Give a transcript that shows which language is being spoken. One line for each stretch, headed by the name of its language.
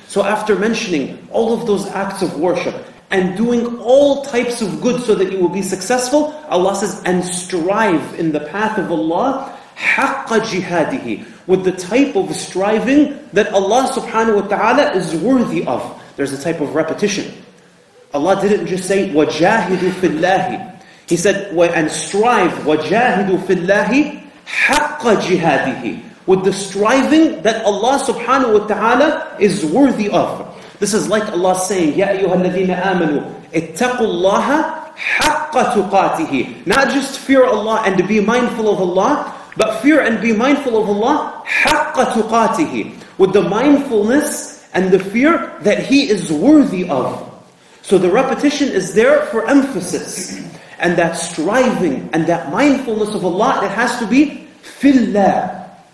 English: So after mentioning all of those acts of worship and doing all types of good so that you will be successful, Allah says, and strive in the path of Allah,
Arabic: حَقَّ جِهَادِهِ,
English: with the type of striving that Allah subhanahu wa ta'ala is worthy of. There's a type of repetition. Allah didn't just say,
Arabic: وَجَاهِدُوا فِي اللَّهِ.
English: He said, and strive,
Arabic: وَجَاهِدُوا فِي اللَّهِ حَقَّ جِهَادِهِ,
English: with the striving that Allah subhanahu wa ta'ala is worthy of. This is like Allah saying,
Arabic: يَا أَيُّهَا الَّذِينَ آمَنُوا اتَّقُوا اللَّهَ حَقَّ تُقَاتِهِ.
English: Not just fear Allah and be mindful of Allah, but fear and be mindful of Allah,
Arabic: حَقَّ تُقَاتِهِ,
English: with the mindfulness and the fear that He is worthy of. So the repetition is there for emphasis. And that striving and that mindfulness of Allah, it has to be
Arabic: فِي اللَّهِ.